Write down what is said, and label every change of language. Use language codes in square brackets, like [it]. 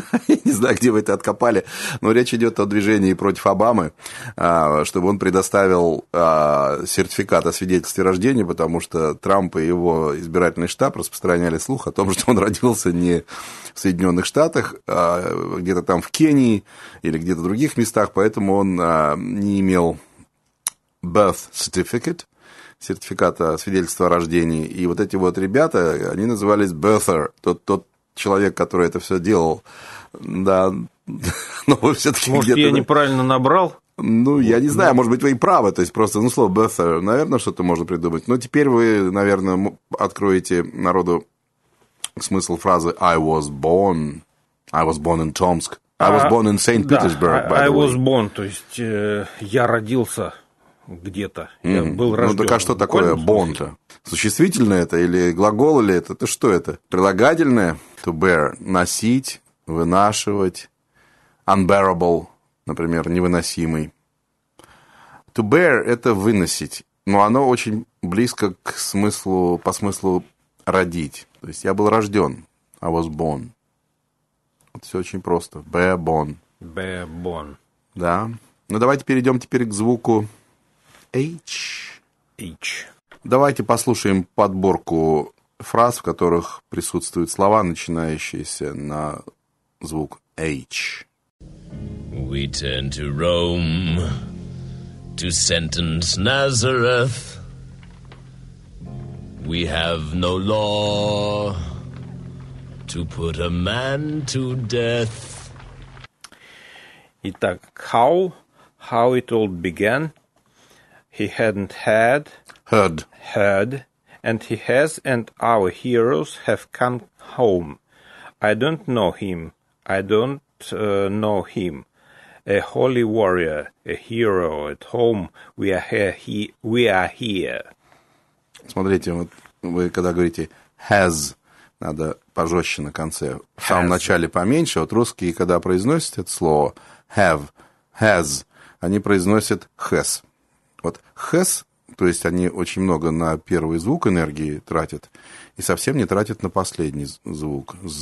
[ru] Не знаю, где вы это откопали, но речь идет о движении против Обамы, чтобы он предоставил сертификат о свидетельстве рождения, потому что Трамп и его избирательный штаб распространяли слух о том, что он родился не в Соединенных Штатах, а где-то там в Кении или где-то в других местах, поэтому он не имел birth certificate, сертификата свидетельства о рождении. И вот эти вот ребята, они назывались birther, тот человек, который это все делал, да, но вы все-таки может, где-то... Может, я неправильно набрал? Ну, я не знаю, может быть, вы и правы, то есть просто, ну, слово «birther», наверное, что-то можно придумать. Но теперь вы, наверное, откроете народу смысл фразы [en] I was born in Tomsk, I was born in St. Petersburg, by the way. I was born, [ru] то есть я родился где-то, я был рожден. Ну, так а что такое «born»-то? Существительное это или глагол ли это? Это что это? Прилагательное? To bear – носить, вынашивать. Unbearable – например, невыносимый. To bear – это выносить. Но оно очень близко к смыслу, по смыслу родить. То есть я был рожден. [en] I was born. [ru] Вот все очень просто. Bear born. [en] Bear born. [ru] Да. Ну, давайте перейдем теперь к звуку H. H. Давайте послушаем подборку фраз, в которых присутствуют слова, начинающиеся на звук H. [en] We turn to Rome to sentence Nazareth. We have no law to put a man to death. [ru] Итак, [en] how it all began. He hadn't had. Heard. And he has, and our heroes have come home. I don't know him. A holy warrior, a hero at home. We are here. [ru] Смотрите, вот вы когда говорите has, надо пожестче на конце. В самом начале поменьше. Вот русские, когда произносят это слово have, has, они произносят has. Вот has, то есть они очень много на первый звук энергии тратят и совсем не тратят на последний звук.